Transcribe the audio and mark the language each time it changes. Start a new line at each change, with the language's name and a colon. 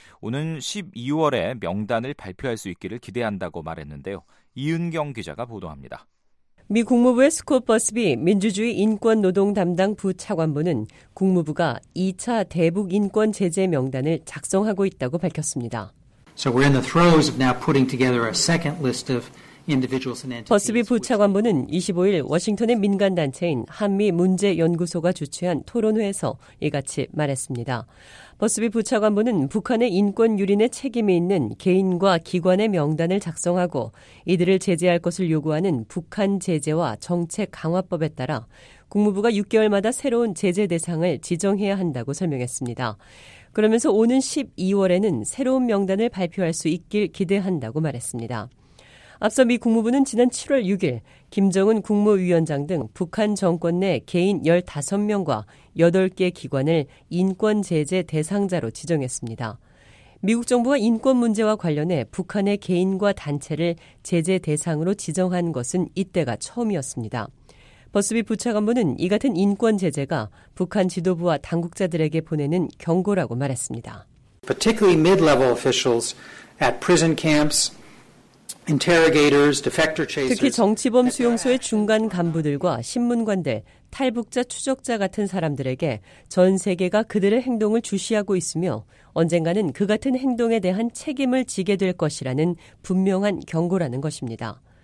Korean: 오는 12월에 명단을 발표할 수 있기를 기대한다고 말했는데요. 이은경 기자가 보도합니다. 미 국무부의 스콧 버스비 민주주의 인권 노동 담당 부차관보는 국무부가 2차 대북 인권 제재 명단을 작성하고 있다고 밝혔습니다.
English: So we're in the throes of now putting together a second list of individuals and entities.
Korean: 버스비 부차관보는 25일 워싱턴의 민간 단체인 한미 문제 연구소가 주최한 토론회에서 이같이 말했습니다. 버스비 부차관보는 북한의 인권 유린에 책임이 있는 개인과 기관의 명단을 작성하고 이들을 제재할 것을 요구하는 북한 제재와 정책 강화법에 따라 국무부가 6개월마다 새로운 제재 대상을 지정해야 한다고 설명했습니다. 그러면서 오는 12월에는 새로운 명단을 발표할 수 있길 기대한다고 말했습니다. 앞서 미 국무부는 지난 7월 6일 김정은 국무위원장 등 북한 정권 내 개인 15명과 8개 기관을 인권 제재 대상자로 지정했습니다. 미국 정부가 인권 문제와 관련해 북한의 개인과 단체를 제재 대상으로 지정한 것은 이때가 처음이었습니다. 버스비 부차관보는 이 같은 인권 제재가 북한 지도부와 당국자들에게 보내는 경고라고 말했습니다.
English: Particularly mid-level officials at prison camps.
Korean: 특히 정치범 수용소의 중간 간부들과 신문관들, 탈북자 추적자 같은 사람들에게 전 세계가 그들의 행동을 주시하고 있으며 언젠가는 그 같은 행동에 대한 책임을 지게 될 것이라는 분명한 경고라는 것입니다.